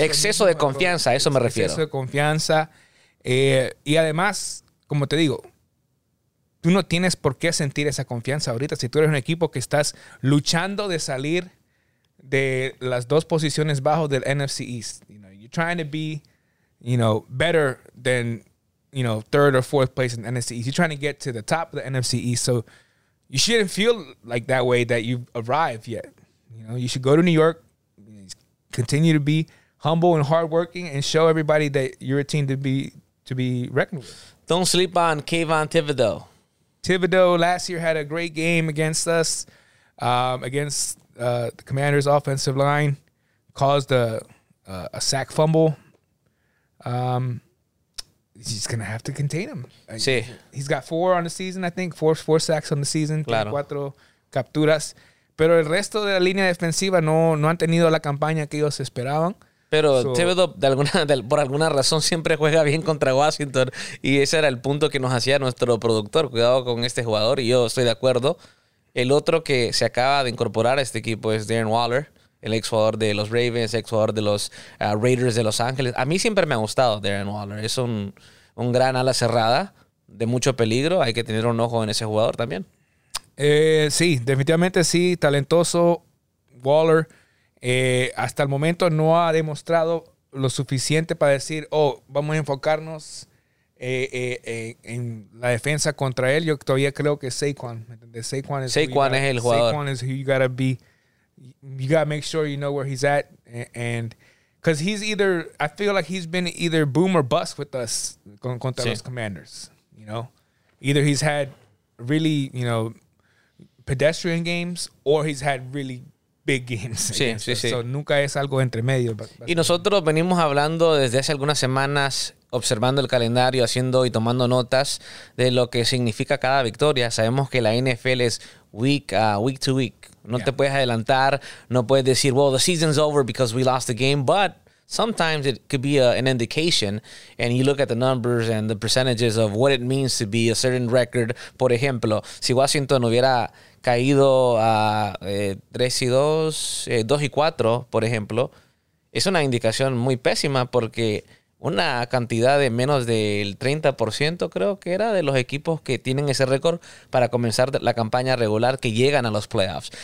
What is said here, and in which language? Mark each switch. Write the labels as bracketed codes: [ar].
[es] Exceso de confianza, a eso me refiero. Exceso de confianza. Y además, como te digo, tú no tienes por qué sentir esa confianza ahorita. Si tú eres un equipo que estás luchando de salir... de las dos posiciones bajo del NFC East. [en] You know, you're trying to be, you know, better than, you know, third or fourth place in the NFC East. You're trying to get to the top of the NFC East. So you shouldn't feel like that way that you've arrived yet. You know, you should go to New York, continue to be humble and hardworking, and show everybody that you're a team to be reckoned with. Don't sleep on Kayvon Thibodeau. Thibodeau last year had a great game against us, the Commander's offensive line caused a sack fumble. He's going to have to contain him. [es] Sí. [en] He's got four on the season, I think. Four sacks on the season. [es] Claro. Cuatro capturas. Pero el resto de la línea defensiva no han tenido la campaña que ellos esperaban. Pero Thibodeau, por alguna razón, siempre juega bien contra Washington. Y ese era el punto que nos hacía nuestro productor. Cuidado con este jugador. Y yo estoy de acuerdo. El otro que se acaba de incorporar a este equipo es Darren Waller, el ex jugador de los Ravens, ex jugador de los Raiders de Los Ángeles. A mí siempre me ha gustado Darren Waller. Es un gran ala cerrada de mucho peligro. Hay que tener un ojo en ese jugador también. Sí, definitivamente sí. Talentoso Waller. Hasta el momento no ha demostrado lo suficiente para decir, vamos a enfocarnos en la defensa contra él. Yo todavía creo que Saquon es el jugador. [en] Saquon is who you gotta be. You gotta make sure you know where he's at, and because he's either, I feel like he's been either boom or bust with us contra los Commanders. You know, either he's had really, you know, pedestrian games, or he's had really big games. [es] Sí, sí, sí. So, nunca es algo entre medio. Y nosotros venimos hablando desde hace algunas semanas, observando el calendario, haciendo y tomando notas de lo que significa cada victoria. Sabemos que la NFL es week to week. [en] No te puedes adelantar, no puedes decir, well, the season's over because we lost the game, but sometimes it could be an indication, and you look at the numbers and the percentages of what it means to be a certain record. [es] Por ejemplo, si Washington hubiera caído a 2-4, por ejemplo, es una indicación muy pésima porque una cantidad de menos del 30% creo que era de los equipos que tienen ese récord para comenzar la campaña regular que llegan a los playoffs.